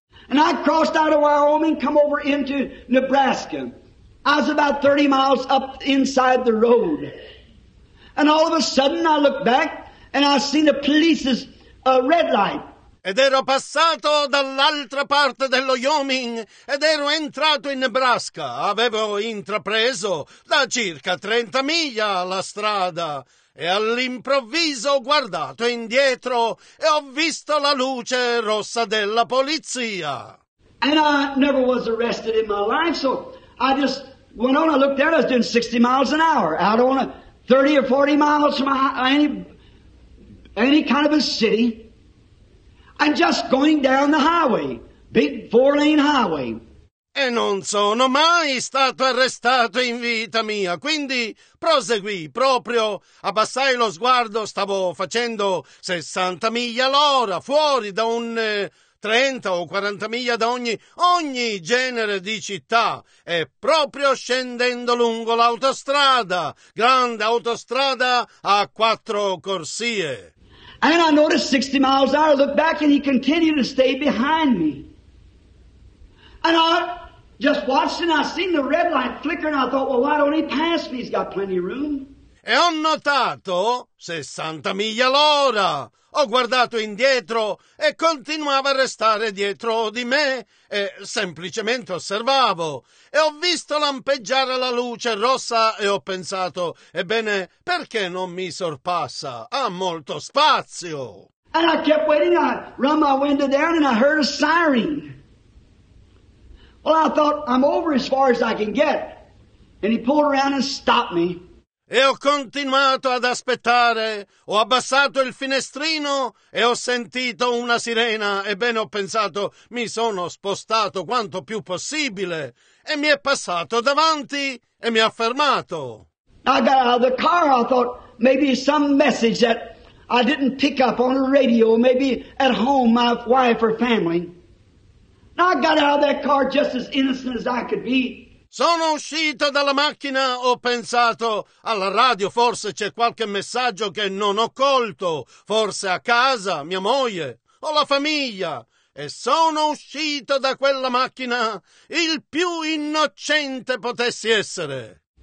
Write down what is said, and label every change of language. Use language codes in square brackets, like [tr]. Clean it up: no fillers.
[en] And I crossed out of Wyoming, come over into Nebraska. I was about 30 miles up inside the road. And all of a sudden I looked back and I seen the police's red light. [it] Ed ero passato dall'altra parte dello Wyoming ed ero entrato in Nebraska. Avevo intrapreso da circa 30 miglia la strada. E all'improvviso ho guardato indietro e ho visto la luce rossa della polizia. [en] And I never was arrested in my life, so I just went on, I looked there, I was doing 60 miles an hour, out on a 30 or 40 miles from any kind of a city, and just going down the highway, big four-lane highway. [it] E non sono mai stato arrestato in vita mia, quindi proseguì proprio, abbassai lo sguardo, stavo facendo 60 miglia l'ora, fuori da un 30 o 40 miglia da ogni genere di città, e proprio scendendo lungo l'autostrada, grande autostrada a quattro corsie. [en] And I noticed 60 miles an hour, looked back and he continued to stay behind me. And I just watched and I seen the red light flicker and I thought, well, why don't he pass me? He's got plenty of room. [it] E ho notato 60 miglia l'ora. Ho guardato indietro e continuava a restare dietro di me e semplicemente osservavo. E ho visto lampeggiare la luce rossa e ho pensato, ebbene, perché non mi sorpassa? Ha molto spazio. [en] And I kept waiting. I run my window down and I heard a siren. Well, I thought, I'm over as far as I can get. And he pulled around and stopped me. [it] E ho continuato ad aspettare. Ho abbassato il finestrino e ho sentito una sirena. Ebbene, ho pensato, mi sono spostato quanto più possibile. E mi è passato davanti e mi ha fermato. [en] I got out of the car. I thought, maybe some message that I didn't pick up on the radio. Maybe at home, my wife or family. I got out of that car just as innocent as I could be. [it] Sono uscito dalla macchina, ho pensato, alla radio forse c'è qualche messaggio che non ho colto, forse a casa, mia moglie, o la famiglia. E sono uscito da quella macchina il più innocente potessi essere.